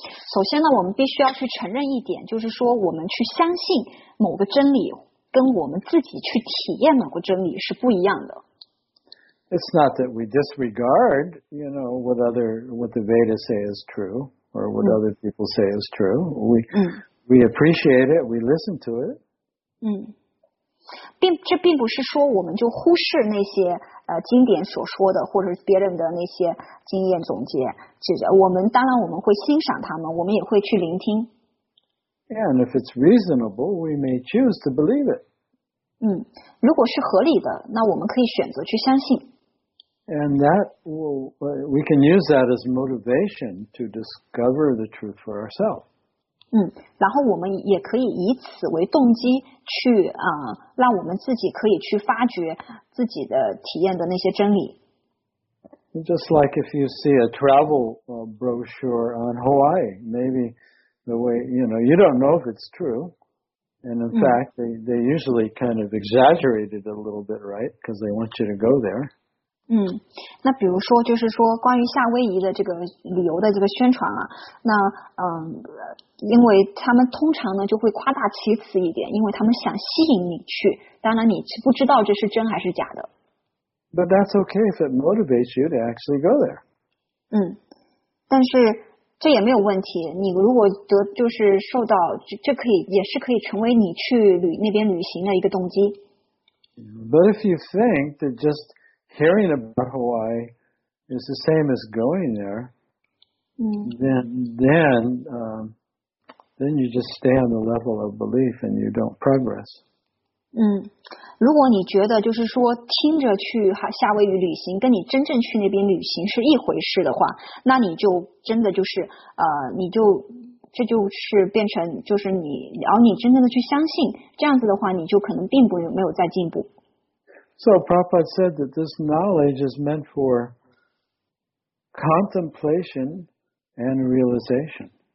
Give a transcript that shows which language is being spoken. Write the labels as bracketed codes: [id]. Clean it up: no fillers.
[zh] 首先呢，我们必须要去承认一点，就是说我们去相信某个真理跟我们自己去体验某个真理是不一样的。 [en] It's not that we disregard, what the Vedas say is true or what other people say is true. We appreciate it. We listen to it. [zh] 这并不是说我们就忽视那些经典所说的或者是别人的那些经验总结，是的，我们当然我们会欣赏他们，我们也会去聆听。 [en] And if it's reasonable, we may choose to believe it. [zh] 如果是合理的，那我们可以选择去相信。 [en] And that we can use that as motivation to discover the truth for ourselves. [zh] 然后我们也可以以此为动机去让我们自己可以去发掘自己的体验的那些真理。 [en] Just like if you see a travel brochure on Hawaii, maybe the way, you don't know if it's true. And in fact, they usually kind of exaggerate it a little bit, right? Because they want you to go there. [zh] 那比如说就是说关于夏威夷的这个旅游的这个宣传啊，那因为他们通常呢就会夸大其词一点，因为他们想吸引你去，当然你不知道这是真还是假的。 [en] But that's okay if it motivates you to actually go there. [zh] 但是这也没有问题，你如果得就是受到 这可以也是可以成为你去那边旅行的一个动机。 [en] But if you think that just hearing about Hawaii is the same as going there, then you just stay on the level of belief and you don't progress. [zh] 如果你觉得就是说听着去夏威夷旅行跟你真正去那边旅行是一回事的话，那你就真的就是你就这就是变成就是你，然后你真正的去相信这样子的话，你就可能并不没有再进步。 [en] So Prabhupada said that this knowledge is meant for contemplation and realization.